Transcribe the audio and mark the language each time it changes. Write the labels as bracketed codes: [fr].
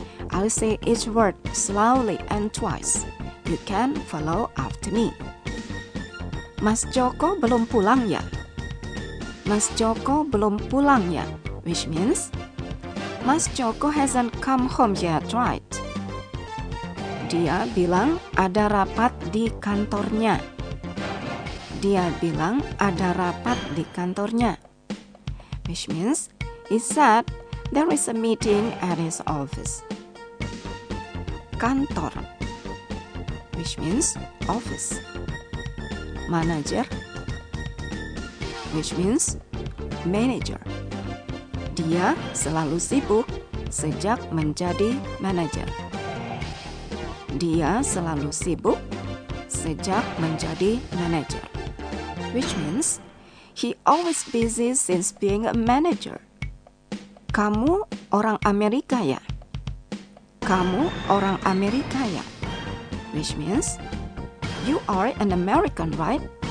[en] I'll say each word slowly and twice. You can follow after me. [id] Mas Joko belum pulang ya? Mas Joko belum pulang ya? [en] Which means, Mas Joko hasn't come home yet, right? [id] Dia bilang ada rapat di kantornya. Dia bilang ada rapat di kantornya. [en] Which means, he said there is a meeting at his office. Kantor. Which means, office. Manager. Which means, manager. [id] Dia selalu sibuk sejak menjadi manager. Dia selalu sibuk sejak menjadi manager. [en] Which means, he always busy since being a manager. [id] Kamu orang Amerika ya? Kamu orang Amerika ya? [en] Which means, you are an American, right?